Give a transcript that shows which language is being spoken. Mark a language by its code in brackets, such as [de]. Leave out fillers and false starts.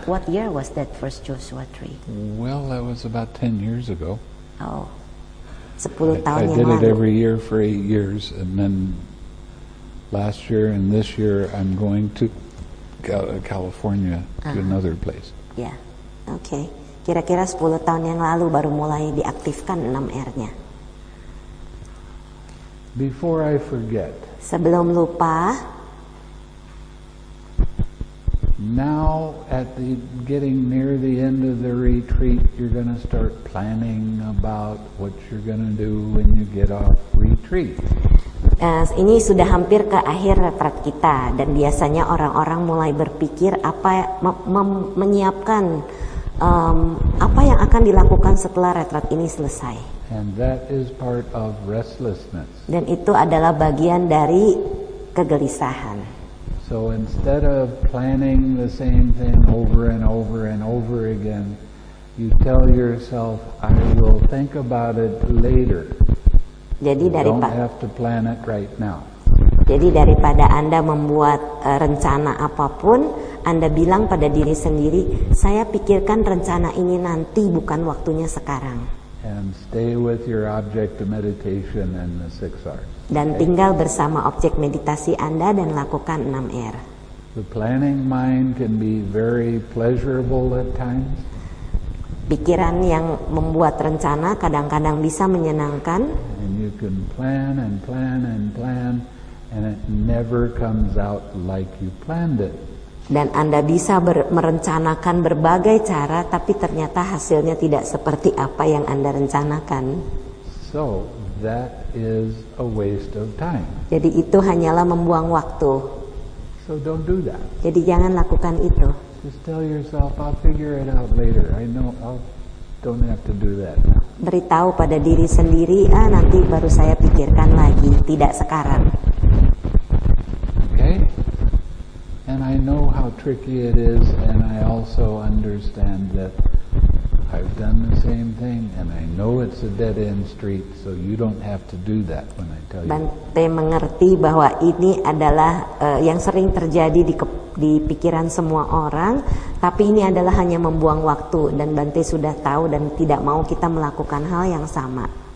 [en] What year was that first Joshua 3? Well, that was about 10 years ago. [id] Oh, 10 tahun yang lalu. [en] I did it every year for 8 years, and then last year and this year I'm going to California to another place. Yeah, okay. [id] Kira-kira 10 tahun yang lalu baru mulai diaktifkan 6R-nya. [en] Before I forget. [id] Sebelum lupa. [en] Now at the getting near the end of the retreat, you're going to start planning about what you're going to do when you get off retreat. [id] Ini sudah hampir ke akhir retret kita, dan biasanya orang-orang mulai berpikir apa menyiapkan apa yang akan dilakukan setelah retret ini selesai. [en] And that is part of restlessness. [id] Dan itu adalah bagian dari kegelisahan. [en] So instead of planning the same thing over and over and over again, you tell yourself, "I will think about it later." [id] Jadi daripada, [en] don't have to plan it right now. [id] Jadi daripada Anda membuat rencana apapun, Anda bilang pada diri sendiri, "Saya pikirkan rencana ini nanti, bukan waktunya sekarang." [en] And stay with your object of meditation and the six R's. [id] Dan tinggal bersama objek meditasi Anda dan lakukan 6R. [en] The planning mind can be very pleasurable at times. [id] Pikiran yang membuat rencana kadang-kadang bisa menyenangkan. [en] And you can plan and plan and plan, and it never comes out like you planned it. [id] Dan Anda bisa merencanakan berbagai cara, tapi ternyata hasilnya tidak seperti apa yang Anda rencanakan. [en] So that is a waste of time. [id] Jadi itu hanyalah membuang waktu. [en] So don't do that. [id] Jadi jangan lakukan itu. [en] Just tell yourself, "I'll figure it out later. I know I don't have to do that." [id] Beritahu pada diri sendiri, nanti baru saya pikirkan lagi, tidak sekarang. [en] Okay. And I know how tricky it is, and I also understand that I've done the same thing, and I know it's a dead end street, so you don't have to do that when I tell you. [id] Bante mengerti bahwa ini adalah yang sering terjadi di pikiran semua orang, tapi ini adalah hanya membuang waktu, dan Bante sudah tahu dan tidak mau kita melakukan hal yang sama.